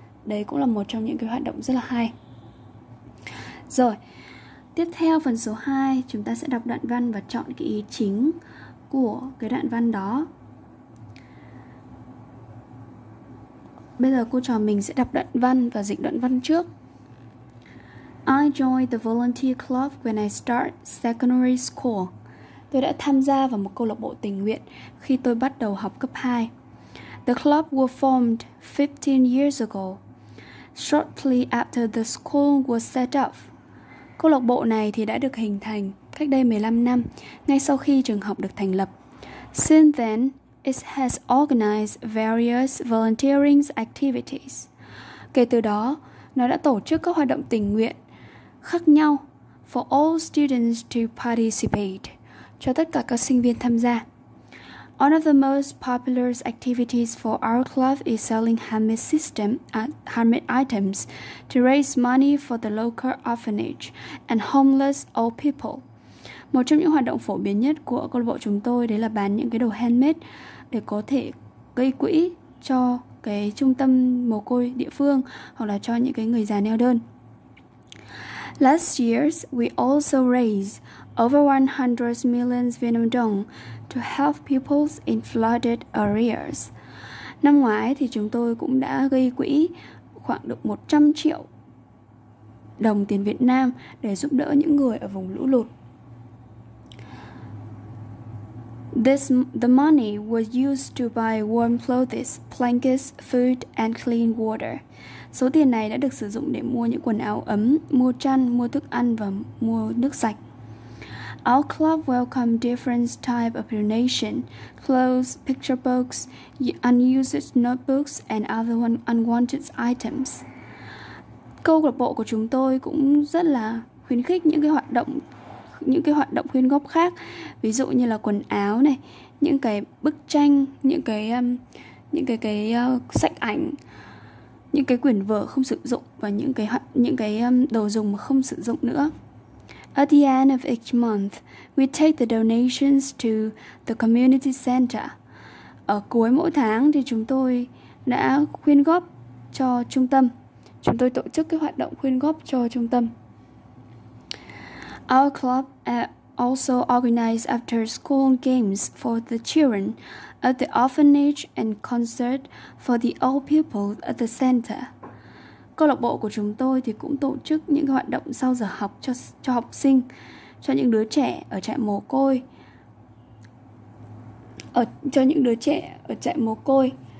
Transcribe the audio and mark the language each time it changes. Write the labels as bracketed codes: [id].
[vi] Đấy cũng là một trong những cái hoạt động rất là hay. Rồi. Tiếp theo phần số 2, chúng ta sẽ đọc đoạn văn và chọn cái ý chính của cái đoạn văn đó. Bây giờ cô trò mình sẽ đọc đoạn văn và dịch đoạn văn trước. [en] I joined the volunteer club when I start secondary school. [vi] Tôi đã tham gia vào một câu lạc bộ tình nguyện khi tôi bắt đầu học cấp 2. [en] The club was formed 15 years ago, shortly after the school was set up. [vi] Câu lạc bộ này thì đã được hình thành cách đây 15 năm, ngay sau khi trường học được thành lập. [en] Since then, it has organized various volunteering activities. [vi] Kể từ đó, nó đã tổ chức các hoạt động tình nguyện khác nhau [en] for all students to participate, [vi] cho tất cả các sinh viên tham gia. [en] One of the most popular activities for our club is selling handmade items to raise money for the local orphanage and homeless old people. [vi] Một trong những hoạt động phổ biến nhất của câu lạc bộ chúng tôi đấy là bán những cái đồ handmade để có thể gây quỹ cho cái trung tâm mồ côi địa phương hoặc là cho những cái người già neo đơn. [en] Last year, we also raised over 100 million Vietnam dong to help people in flooded areas. [vi] Năm ngoái thì chúng tôi cũng đã gây quỹ khoảng được 100 triệu đồng tiền Việt Nam để giúp đỡ những người ở vùng lũ lụt. [en] The money was used to buy warm clothes, blankets, food and clean water. [vi] Số tiền này đã được sử dụng để mua những quần áo ấm, mua chăn, mua thức ăn và mua nước sạch. [en] Our club welcomes different types of donations, clothes, picture books, unused notebooks and other unwanted items. [vi] Câu lạc bộ của chúng tôi cũng rất là khuyến khích những cái hoạt động quyên góp khác, ví dụ như là quần áo này, những cái bức tranh, những cái sách ảnh, những cái quyển vở không sử dụng và những cái đồ dùng mà không sử dụng nữa. [en] At the end of each month, we take the donations to the community center. [vi] Ở cuối mỗi tháng thì chúng tôi đã quyên góp cho trung tâm. Chúng tôi tổ chức cái hoạt động quyên góp cho trung tâm. [en] Our club also organized after school games for the children at the orphanage and concert for the old people at the center. [vi] Câu lạc bộ của chúng tôi thì cũng tổ chức những cái hoạt động sau giờ học cho học sinh, cho những đứa trẻ ở trại mồ côi.